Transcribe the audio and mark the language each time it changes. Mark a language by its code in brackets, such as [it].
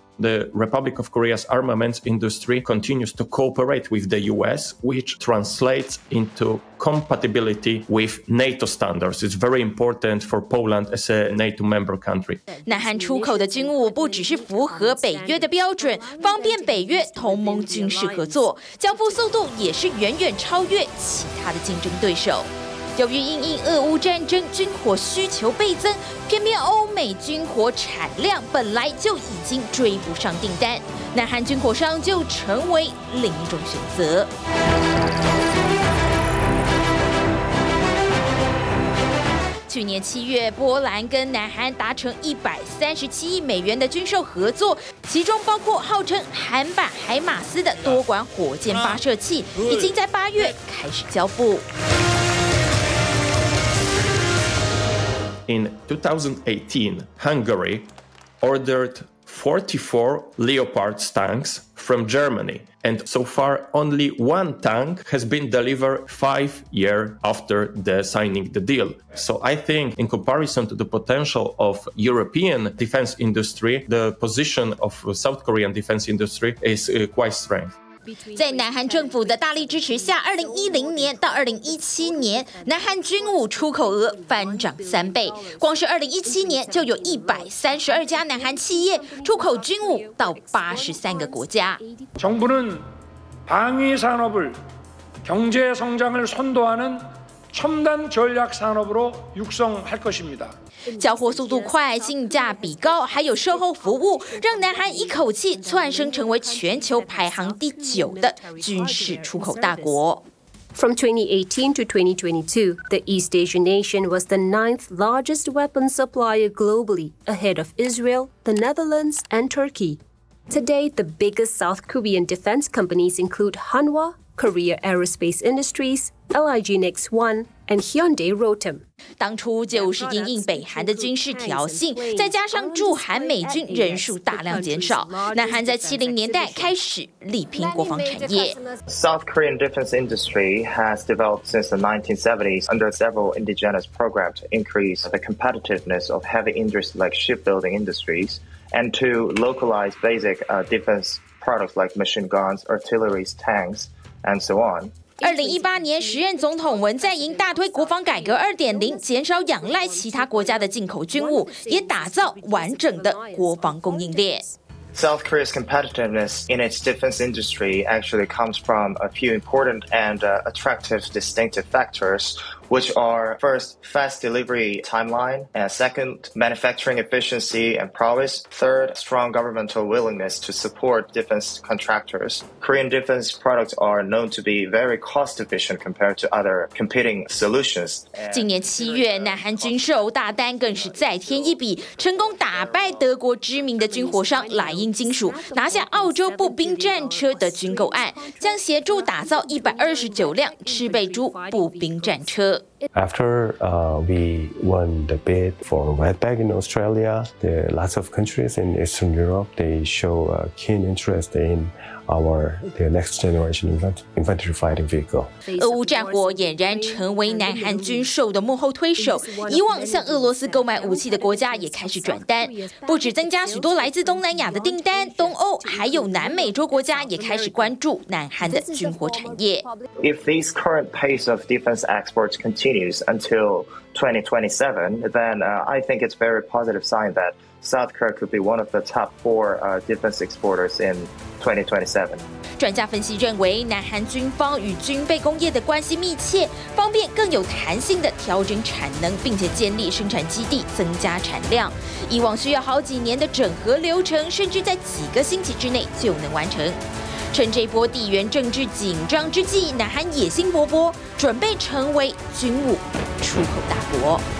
[en] the Republic of Korea's armaments industry continues to cooperate with the US, which translates into compatibility with NATO standards. It's very important for Poland as a NATO member country. [zh] 南韩出口的军务不只是符合北约的标准，方便北约同盟军事合作，交付速度也是远远超越其他的竞争对手。由于因应俄乌战争，军火需求倍增，偏偏欧美军火产量本来就已经追不上订单，南韩军火商就成为另一种选择。去年七月，波兰跟南韩达成137亿美元的军售合作，其中包括号称韩版海马斯的多管火箭发射器，已经在八月开始交付。 [en] In 2018, Hungary ordered 44 Leopards tanks from Germany, and so far only one tank has been delivered 5 years after the signing the deal. So I think in comparison to the potential of European defense industry, the position of South Korean defense industry is quite strong. [zh] 在南韩政府的大力支持下，2010年到2017年，南韩军武出口额翻涨三倍。光是2017年，就有132家南韩企业出口军武到83个国家。 [ko] 정부는방위산업을경제성장을선도하는첨단전략산업으로육성할것입니다 [zh] 交货速度快，性价比高，还有售后服务，让南韩一口气窜升成为全球排行第9的军事出口大国。 [en] From 2018 to 2022, the East Asian nation was the 9th largest weapons supplier globally, ahead of Israel, the Netherlands, and Turkey. Today, the biggest South Korean defense companies include Hanwha, Korea Aerospace Industries, LIG Next One. And Hyundai Rotem. [zh] 当初就是因应北韩的军事挑衅，再加上驻韩美军人数大量减少，南韩在70年代开始力拼国防产业。 [en] South Korean defense industry has developed since the 1970s under several indigenous programs to increase the competitiveness of heavy industries like shipbuilding industries and to localize basic defense products like machine guns, artillery, tanks, and so on. [zh] 2018年，时任总统文在寅大推国防改革 2.0， 减少仰赖其他国家的进口军务，也打造完整的国防供应链。 [en] South Korea's competitiveness in its defense industry actually comes from a few important and attractive distinctive factors, which are first, fast delivery timeline, and second, manufacturing efficiency and prowess, third, strong governmental willingness to support defense contractors. Korean defense products are known to be very cost efficient compared to other competing solutions. [zh] 今年七月，南韩军售大单更是再添一笔，成功打败德国知名的军火商莱茵金属，拿下澳洲步兵战车的军购案，将协助打造129辆赤背猪步兵战车。 [en] After we won the bid for Redback in Australia, there lots of countries in Eastern Europe, they show a keen interest in our the next generation infantry fighting vehicle. [zh] 俄乌战火俨然成为南韩军售的幕后推手，以往向俄罗斯购买武器的国家也开始转单，不止增加许多来自东南亚的订单，东欧还有南美洲国家也开始关注南韩的军火产业。 [en] If this current pace of defense exports continues until 2027, then I think it's a very positive sign that South Korea could be one of the top 4 defense exporters in 2027. [zh] 专家分析认为，南韩军方与军备工业的关系密切，方便更有弹性的调整产能，并且建立生产基地，增加产量。以往需要好几年的整合流程，甚至在几个星期之内就能完成。趁这波地缘政治紧张之际，南韩野心勃勃，准备成为军武出口大国。